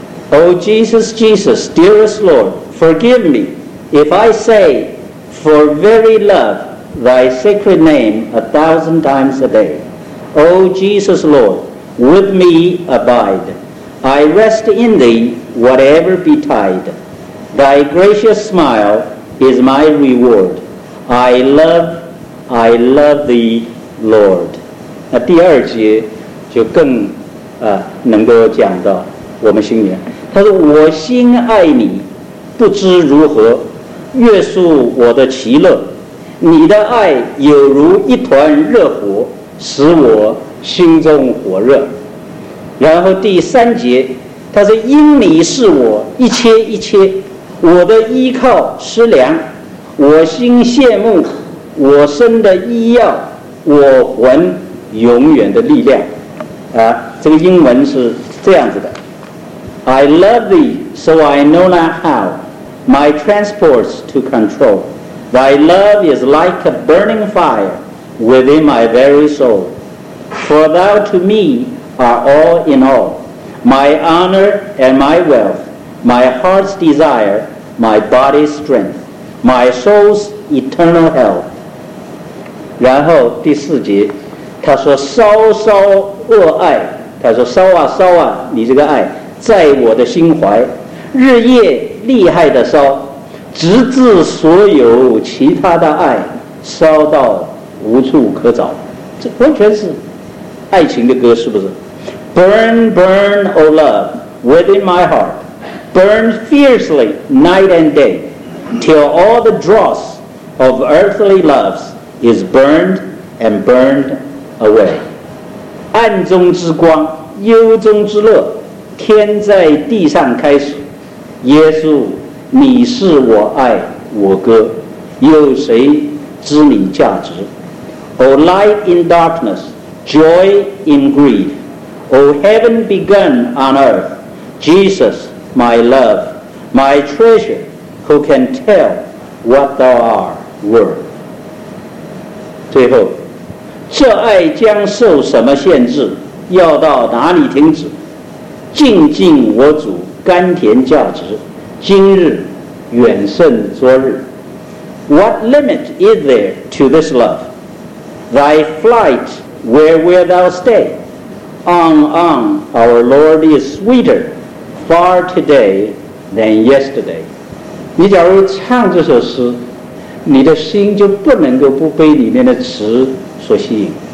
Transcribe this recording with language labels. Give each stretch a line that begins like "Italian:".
English: Oh Jesus Jesus dearest Lord forgive me if I say for very love thy sacred name 1,000 times a day. Oh Jesus Lord with me abideI rest in thee, whatever betide. Thy gracious smile is my reward. I love thee, Lord.
Chinese: 那第二节就更能够讲到我们心里。他说：“我心爱你，不知如何约束我的其乐。你的爱有如一团热火，使我心中火热。” 然后第三节他说因你是我一切一切，我的依靠食粮，我心羡慕，我身的医药，我魂永远的力量。啊，这个英文是这样子的，
English: I love thee so I know not how my transports to control, thy love is like a burning fire within my very soul, for thou to me are all in all, my honor and my wealth, my heart's desire, my body's strength, my soul's eternal health.
Chinese: 然后第四节他说稍稍恶爱，他说稍啊稍啊，你这个爱在我的心怀，日夜厉害的烧，直至所有其他的爱烧到无处可找。这完全是爱情的歌，是不是？
English: Burn, burn, O love, within my heart, burn fiercely night and day, till all the dross of earthly loves is burned and burned away.
Chinese: 暗中之光，幽中之乐，天在地上开始，耶稣你是我爱我歌，有谁知你价值。
English: O light in darkness, joy in grief, O heaven begun on earth, Jesus my love, my treasure, who can tell what thou art worth.
Chinese: 最后这爱将受什么限制，要到哪里停止，尽尽我主甘甜价值，今日远胜昨日。
English: What limit is there to this love? Thy flight, where wilt thou stay? On, on, our Lord is sweeter far today than yesterday.
Chinese: 你假如唱这首诗，你的心就不能够不被里面的词所吸引。